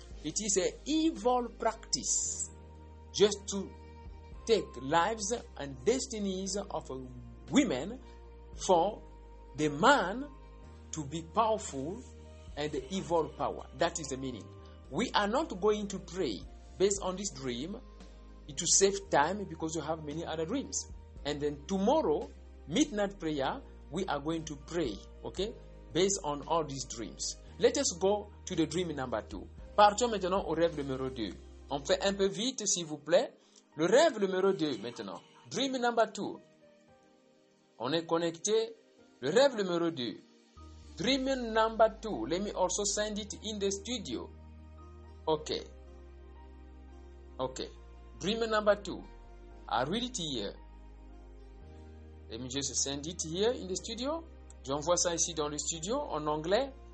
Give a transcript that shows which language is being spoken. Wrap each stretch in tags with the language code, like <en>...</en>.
<en>It is an evil practice just to take lives and destinies of women for the man to be powerful and evil power. That is the meaning. We are not going to pray based on this dream. It will save time because you have many other dreams. And then tomorrow, midnight prayer, we are going to pray, okay, based on all these dreams. Let us go to the dream number two.</en> <fr>Partons maintenant au rêve numéro 2. On fait un peu vite, s'il vous plaît. Le rêve numéro 2 maintenant.</fr> <en>Dream number two.</en> <fr>On est connecté. Le rêve numéro 2.</fr> <en>Dream number two. Let me also send it in the studio. Okay. Okay. Dream number two. I read it here. Let me just send it here in the studio.</en> <fr>J'envoie ça ici dans le studio en anglais.</fr>